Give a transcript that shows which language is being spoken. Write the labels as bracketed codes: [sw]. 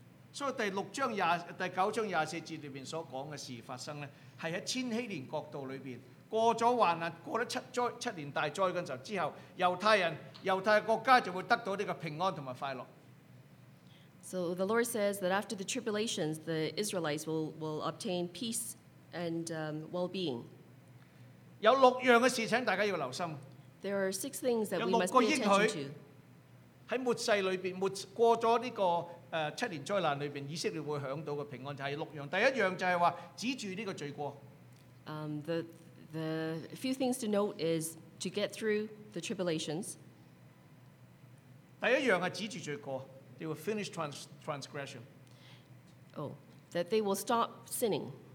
[zh] So, 第九章廿四節裏邊所講嘅事發生咧，係喺千禧年國度裏邊過咗患難，過咗七災七年大災嗰陣時候，猶太人猶太國家就會得到呢個平安同埋快樂。 [en] So the Lord says that after the tribulations, the Israelites will obtain peace and well-being. [zh] 有六樣嘅事，請大家要留心。 [en] There are six things that we must pay attention to. [zh] 喺末世裏邊，末過咗呢、這個七年災難裏邊以色列會享到嘅平安就係六樣。第一樣就係話指住呢個罪過。 [en] The few things to note is to get through the tribulations. [zh] 第一樣係指住罪過 ， [en] they will finish transgression. Oh, that they will stop sinning.